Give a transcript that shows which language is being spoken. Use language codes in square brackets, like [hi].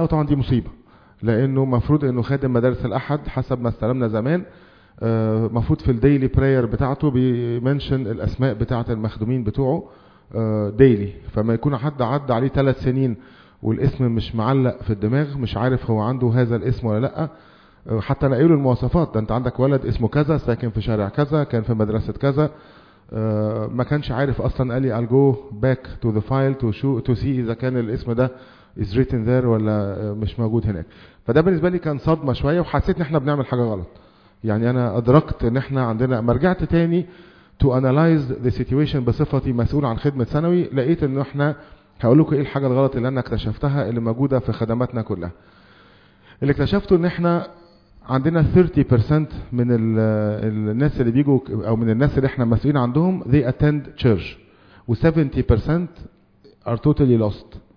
[ar] وطبعا دي مصيبه، لانه مفروض انه خادم مدارس الاحد حسب ما استلمنا زمان، مفروض في [en] الديلي براير [ar] بتاعته بيمنشن الاسماء بتاعه المخدومين بتوعه ديلي. فما يكون حد عدى عليه 3 سنين والاسم مش معلق في الدماغ، مش عارف هو عنده هذا الاسم ولا لا. حتى نقيله المواصفات، ده انت عندك ولد اسمه كذا، ساكن في شارع كذا، كان في مدرسة كذا، ما كانش عارف اصلا. قال لي [en] I'll go back to the file to see [ar] اذا كان الاسم ده [en] is written there [ar] ولا مش موجود هناك. فده بالنسبة لي كان صدمة شوية، وحسيت ان احنا بنعمل حاجة غلط. يعني انا ادركت ان احنا عندنا، ما رجعت تاني [en] to analyze the situation [ar] بصفتي مسؤول عن خدمة ثانوي، لقيت ان احنا، هقول لكم ايه الحاجة الغلط اللي انا اكتشفتها اللي موجودة في خدماتنا كلها. اللي اكتشفته ان احنا عندنا 30% من الناس اللي بيجوا، او من الناس اللي احنا مسؤولين عندهم، [en] they attend church، [ar] و 70% [en] are totally lost.